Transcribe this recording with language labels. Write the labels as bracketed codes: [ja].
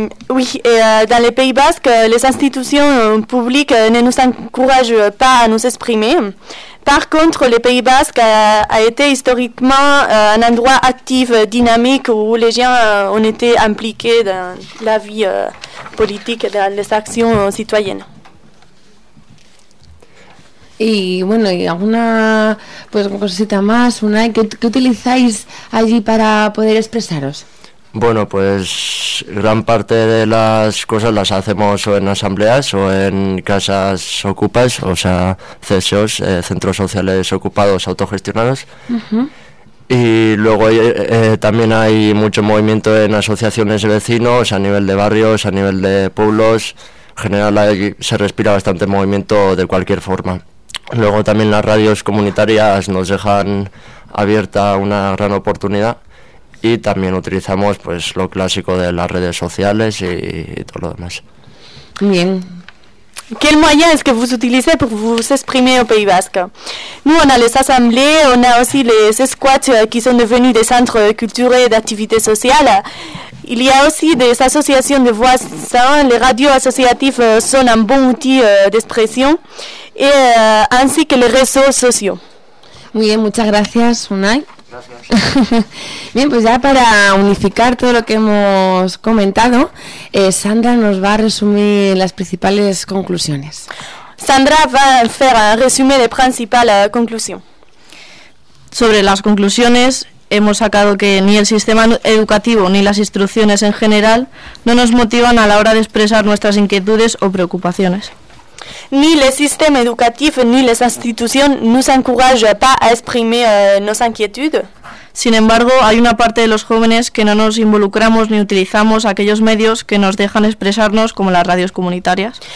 [fr] Oui, dans les Pays Basques, les institutions publiques ne nous encouragent pas à nous exprimer. Par contre, les Pays Basques a été historiquement un endroit actif, dynamique, où les gens ont été impliqués dans la vie politique, dans les actions citoyennes. [es] Y bueno, y alguna pues cosita más, Unai, ¿qué utilizáis allí para poder expresaros? Bueno, pues gran parte de las cosas las hacemos o en asambleas o en casas ocupas, o sea, CSOs, centros sociales ocupados, autogestionados. Uh-huh. Y luego también hay mucho movimiento en asociaciones de vecinos, a nivel de barrios, a nivel de pueblos. En general se respira bastante movimiento de cualquier forma. Luego también las radios comunitarias nos dejan abierta una gran oportunidad. Y también utilizamos pues lo clásico de las redes sociales y todo lo demás. Bien. [fr] ¿Qué moyens que vous utilisez pour vous exprimer au Pays Basque? Nous, on a les assemblées, on a aussi les squats qui sont devenus des centres culturels et d'activités sociales. Il y a aussi des associations de voisins, les radios associatives sont un bon outil d'expression, et, ainsi que les réseaux sociaux. [es] Muy bien, muchas gracias, Unai. Gracias. Bien, pues ya para unificar todo lo que hemos comentado, Sandra nos va a resumir las principales conclusiones. Sandra va a hacer un resumen de principal conclusión. Sobre las conclusiones, hemos sacado que ni el sistema educativo ni las instrucciones en general no nos motivan a la hora de expresar nuestras inquietudes o preocupaciones. [fr] Ni le système éducatif ni les institutions ne nous encouragent pas à exprimer nos inquiétudes. [es] Sin embargo, hay una parte de los jóvenes que no nos involucramos ni utilizamos aquellos medios que nos dejan expresarnos, como las radios comunitarias.